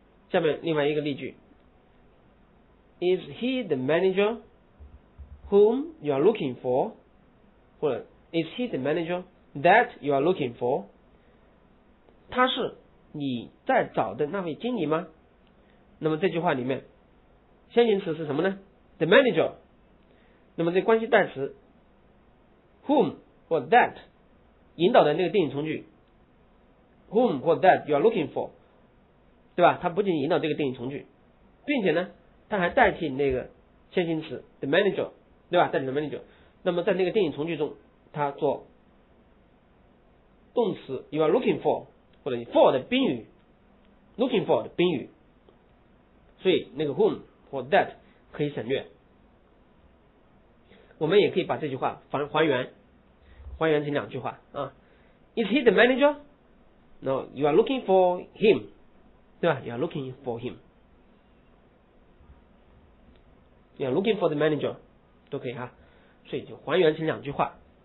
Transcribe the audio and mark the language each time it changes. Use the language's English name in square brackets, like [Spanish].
[Chinese] 下面另外一个例句， [English] Is he the manager whom you are looking for， 或者Is he the manager that you are looking for？ [Chinese] 他是你在找的那位经理吗？那么这句话里面先行词是什么呢？the manager。那么这关系代词 whom 或 that 引导的那个定语从句 whom 或 that you are looking for， 对吧？他不仅引导这个定语从句，并且呢他还代替那个先行词 the manager， 对吧？代替 the manager。那么在那个定语从句中他做动词 you are looking for 或者 for 的宾语 looking for 的宾语，所以那个 whom 或 that 可以省略。我们也可以把这句话还原成两句话啊， [English] Is he the manager？ No you are looking for him， 对吧？ You are looking for him， You are looking for the manager， [Chinese] 都可以哈，所以就还原成两句话。